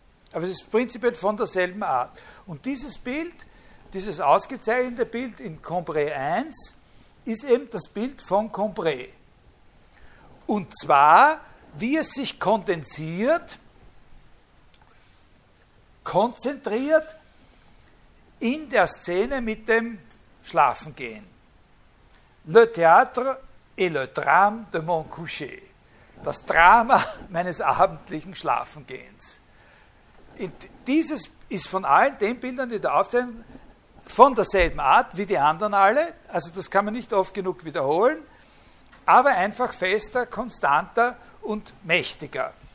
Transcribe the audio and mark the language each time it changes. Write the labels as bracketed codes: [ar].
[de] Aber es ist prinzipiell von derselben Art. Und dieses Bild, dieses ausgezeichnete Bild in Combray 1, ist eben das Bild von Combray. Und zwar, wie es sich kondensiert, konzentriert in der Szene mit dem Schlafengehen. [fr] Le théâtre et le drame de mon coucher. [de] Das Drama meines abendlichen Schlafengehens. Und dieses ist von allen den Bildern, die da aufzeichnen, von derselben Art wie die anderen alle. Also das kann man nicht oft genug wiederholen. Aber einfach fester, konstanter und mächtiger.